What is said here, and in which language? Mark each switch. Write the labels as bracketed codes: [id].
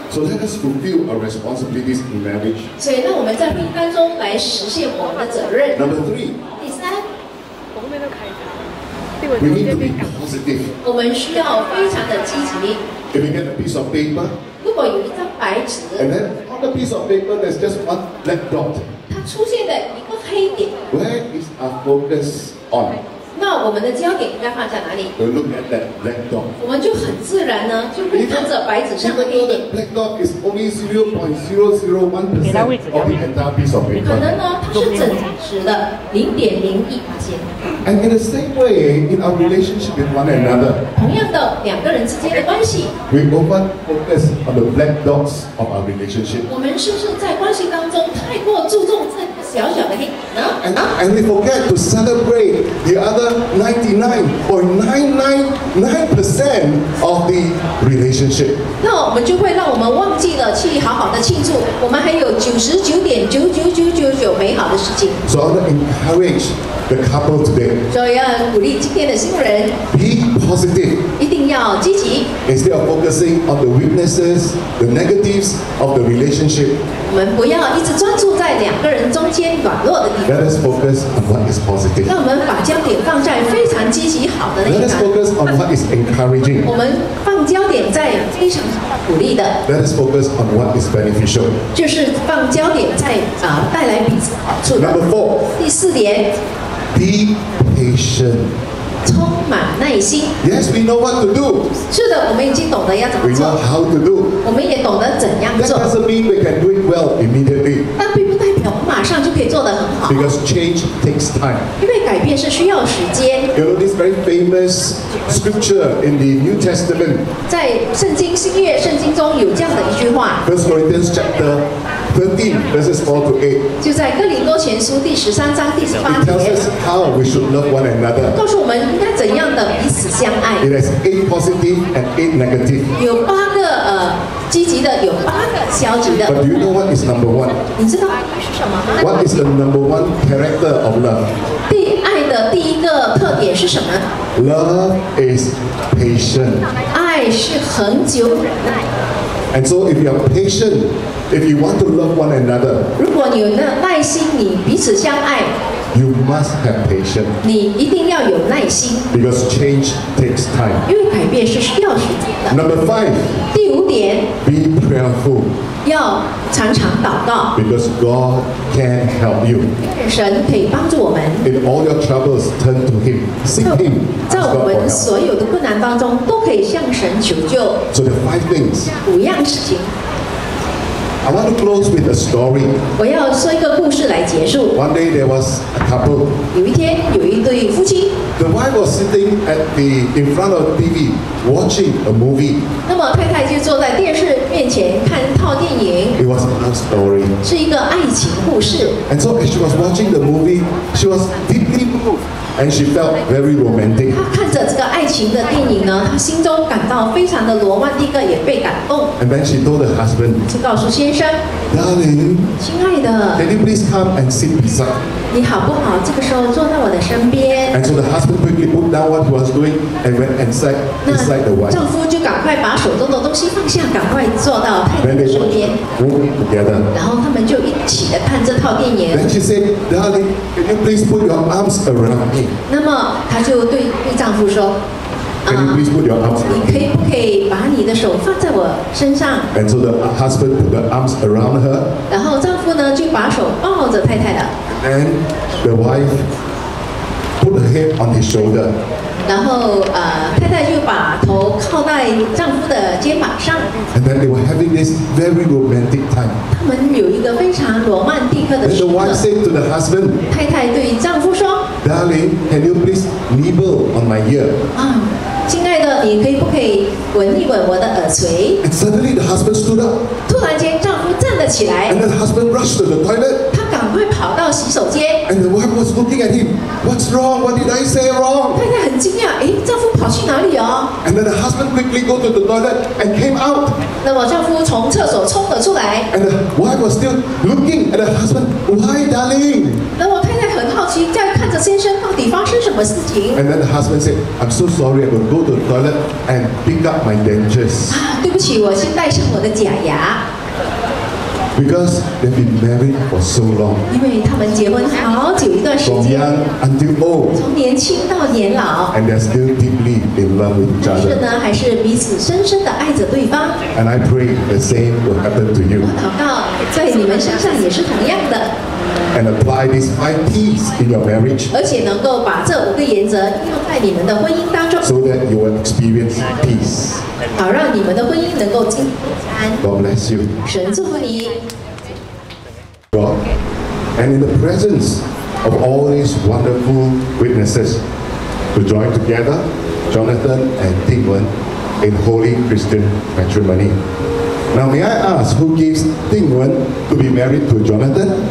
[en] So let us fulfill our responsibilities in marriage. [zh] 所以，那我们在婚姻当中来实现我们的责任。 [en] Number 3. [zh] 第三。 [en] We need to be positive. [zh] 我们需要非常的积极。 [en] If we get a piece of paper. [zh] 如果有一张白纸。 [en] And then on the piece of paper, there's just one black dot. [zh] 出现的一个黑点。 [en] Where is our focus on? [zh] 到我们的焦点应该放在哪里。 [en] We look at that black dot. [zh] 我们就很自然呢，就会看着白纸上的黑点。 [en] Even though the black dot is only 0.001% of the entire piece of paper. [zh] 可能呢，它是整纸的0.01%。 [en] And in the same way, in our relationship with one another, [zh] 同样的两个人之间的关系 [en] we over focus on the black dots of our relationship. [zh] 我们是不是在关系当中太过注重这个小小的黑点呢？ [en] And we forget to celebrate the other 99.999% of the relationship. [zh] 那我们就会让我们忘记了去好好的庆祝，我们还有99.99999% 美好的事情。 [en] So I want to encourage the couple today. [zh] 所以要鼓励今天的新人。 [en] Be positive. [zh] 一定要积极。 [en] Instead of focusing on the weaknesses, the negatives of the relationship. [zh] 我们不要一直专注在两个人中间软弱的地方。 [en] Let us focus on what is positive. [zh] 让我们把焦点放在非常积极好的那一 [en] 方。Let us focus on what is encouraging. [zh] 我们放焦点在非常鼓励的。 [en] Let us focus on what is beneficial. [zh] 就是放焦点在带来彼此好处的。 [en] Number four. [zh] 第四点。 [en] Be patient. [zh] 充满耐心。 [en] Yes, we know what to do. [zh] 是的，我们已经懂得要怎么做。 [en] We know how to do. [zh] 我们也懂得怎样做。 [en] That doesn't mean we can do it well immediately. [zh] 但并不代表我马上就可以做得很好。 [en] Because change takes time. [zh] 因为改变是需要时间。 [en] You know this very famous scripture in the New Testament. [zh] 在圣经新约圣经中有这样的一句话。 [en] First Corinthians chapter. 13 verses 4 to 8. [zh] 就在哥林多前书第十三章第十八节。 [en] It tells us how we should love one another. [zh] 告诉我们应该怎样的彼此相爱。 [en] It has 8 positive and 8 negative. [zh] 有八个积极的，有八个消极的。 [en] But do you know what is number one? [zh] 你知道爱是什么吗？ [en] What is the number one character of love? [zh] 对爱的第一个特点是什么？ [en] Love is patient. [zh] 爱是恒久忍耐。 [en] And so if you are patient, if you want to love one another, [zh] 如果你有那耐心，你彼此相爱， [en] you must have patience. [zh] 你一定要有耐心。 [en] Because change takes time. [zh] 因为改变是需要时间的。 [en] Number five. [zh] 第五点。 [en] Be prayerful. [zh] 要常常祷告。 [en] Because God can help you. [zh] 神可以帮助我们。 [en] In all your troubles, turn to Him. Seek Him. [zh] 在我们所有的困难当中，都可以向神求救。 [en] So there are five things. [zh] 五样事情。 [en] I want to close with a story. [zh] 我要说一个故事来结束。 [en] One day there was a couple. [zh] 有一天有一对夫妻。 [en] The wife was sitting at the in front of TV watching a movie. [zh] 那么太太就坐在电视面前看套电影。 [en] It was a love story. [zh] 是一个爱情故事。 [en] And so as she was watching the movie, she was deeply moved. And she felt very romantic. [zh] 她看着这个爱情的电影呢，她心中感到非常的罗曼蒂克，也被感动。 [en] And then she told her husband. [zh] 就告诉先生。 [en] Darling. [zh] 亲爱的。 [en] Can you please come and sit beside? [zh] 你好不好？这个时候坐在我的身边。 [en] And so the husband quickly put down what he was doing and went and sat beside the wife. [zh] 丈夫就赶快把手中的东西放下，赶快坐到太太的身边。 [en] Moving together. [zh] 然后他们就一起的看这套电影。 [en] Then she said, Darling, can you please put your arms around me? [zh] 那么她就对丈夫说。 [en] Can you please put your arms around me? [zh] 你可以不可以把你的手放在我身上？ [en] And so the husband put the arms around her. [zh] 然后丈夫呢就把手抱着太太的。 [en] And the wife put her head on his shoulder. [zh] 然后太太就把头靠在丈夫的肩膀上。 [en] And then they were having this very romantic time. [zh] 他们有一个非常罗曼蒂克的时刻。 [en] And the wife said to the husband. [zh] 太太对丈夫说。 [en] Darling, can you please nibble on my ear? [zh] 亲爱的，你可以不可以闻一闻我的耳垂？ [en] And suddenly the husband stood up. [zh] 突然间，丈夫站了起来。 [en] And then the husband rushed to the toilet. [zh] 他赶快跑到洗手间。 [en] And the wife was looking at him. What's wrong? What did I say wrong? [zh] 太太很惊讶，哎，丈夫跑去哪里哦？ [en] And then the husband quickly go to the toilet and came out. [zh] 那么丈夫从厕所冲了出来。 [en] And the wife was still looking at the husband. Why, darling? [zh] 那么太太很好奇，在看着先生到底发生什么事情。 [en] And then the husband said, I'm so sorry, I will go to the toilet and pick up my dentures. [zh] 对不起，我先戴上我的假牙。 [en] Because they've been married for so long. [zh] 因为他们结婚好久一段时间。 [en] From young until old. [zh] 从年轻到年老。 [en] And they're still deeply in love with each other. [zh] 但是呢，还是彼此深深地爱着对方。 [en] And I pray the same will happen to you. [zh] 我祷告在你们身上也是同样的。 [en] And apply these 5 P's in your marriage. [zh] 而且能够把这5个原则应用在你们的婚姻当中。 [en] So that you will experience peace. [zh] 好让你们的婚姻能够进入平安。 [en] God bless you. [zh] 神祝福你。 [en] God, and in the presence of all these wonderful witnesses who join together, Jonathan and Tingwen, in holy Christian matrimony. Now may I ask who gives Tingwen to be married to Jonathan?